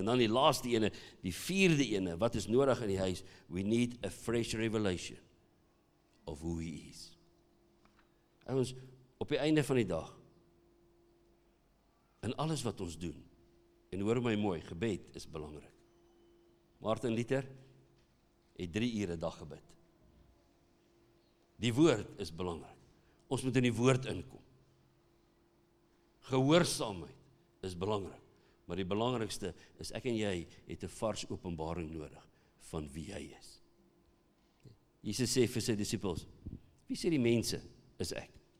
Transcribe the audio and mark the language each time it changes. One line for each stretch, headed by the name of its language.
Afrikaans: En dan die laaste ene, die vierde ene, wat is nodig in die huis?
English: We need a fresh revelation of who he is.
Afrikaans: En ons, op die einde van die dag, in alles wat ons doen, en hoor my mooi, gebed is belangrik. Martin Luther het 3 ure een dag gebid. Die woord is belangrik. Ons moet in die woord inkom. Gehoorsaamheid is belangrik. Maar die belangrikste is ek en jy het 'n vars openbaring nodig van wie hy is. Jesus sê vir sy disippels, wie sê die mense is ek?